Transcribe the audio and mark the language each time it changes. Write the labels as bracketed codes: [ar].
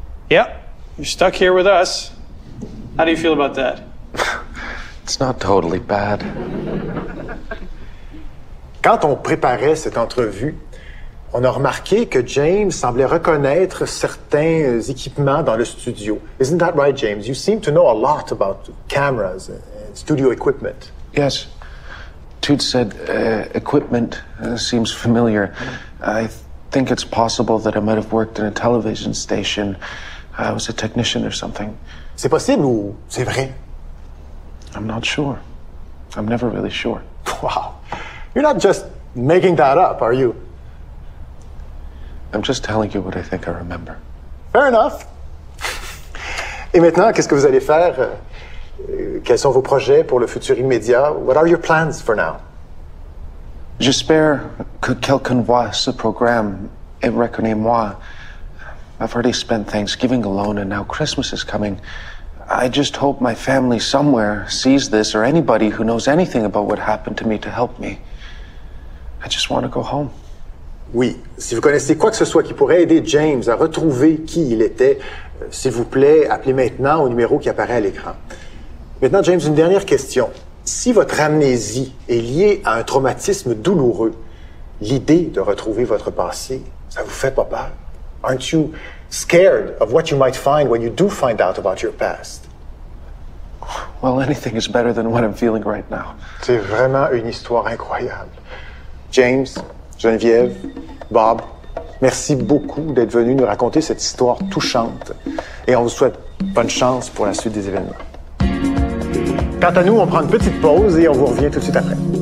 [en] Yeah, you're stuck here with us. How do you feel about that? It's not totally bad. [fr] Quand on préparait cette entrevue, On a remarqué que James semblait reconnaître certains équipements dans le studio. [en] Isn't that right, James? You seem to know a lot about cameras and studio equipment. Yes. Toots said equipment seems familiar. I think it's possible that I might have worked in a television station. I was a technician or something. [fr] C'est possible ou c'est vrai? [en] I'm not sure. I'm never really sure. Wow. You're not just making that up, are you? I'm just telling you what I think I remember. Fair enough. [fr] Et maintenant, qu'est-ce que vous allez faire? Quels sont vos projets pour le futur immédiat? [en] What are your plans for now? [fr] J'espère que quelqu'un voit ce programme et reconnaît-moi. [en] I've already spent Thanksgiving alone and now Christmas is coming. I just hope my family somewhere sees this or anybody who knows anything about what happened to me to help me. I just want to go home. [fr] Oui, si vous connaissez quoi que ce soit qui pourrait aider James à retrouver qui il était, s'il vous plaît, appelez maintenant au numéro qui apparaît à l'écran. Maintenant, James, une dernière question. Si votre amnésie est liée à un traumatisme douloureux, l'idée de retrouver votre passé, ça vous fait pas peur? [en] Aren't you scared of what you might find when you do find out about your past? Well, anything is better than what I'm feeling right now. [fr] C'est vraiment une histoire incroyable. James, Geneviève, Bob, merci beaucoup d'être venus nous raconter cette histoire touchante. Et on vous souhaite bonne chance pour la suite des événements. Quant à nous, on prend une petite pause et on vous revient tout de suite après.